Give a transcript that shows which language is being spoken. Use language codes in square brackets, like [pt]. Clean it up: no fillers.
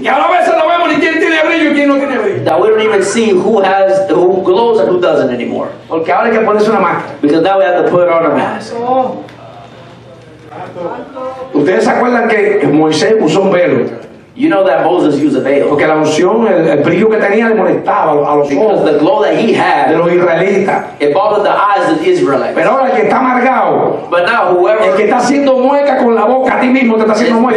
[es] Y ahora a veces no vemos ni quién tiene brillo y quién no tiene brillo. [en] That we don't even see who glows and who doesn't anymore. [es] Porque ahora hay que ponerse una máscara. [en] Because now we have to put on a mask. [es] Ustedes se acuerdan que Moisés usó un velo. [en] You know that Moses used a veil. [es] Porque la unción, el brillo que tenía le molestaba a los ojos. [en] Because the glow that he had. [es] De los israelitas. [en] It bothered the eyes of the Israelites. [es] Pero ahora el que está amargado. [en] But now whoever. [es] El que está haciendo mueca con la boca a ti mismo te está haciendo mueca.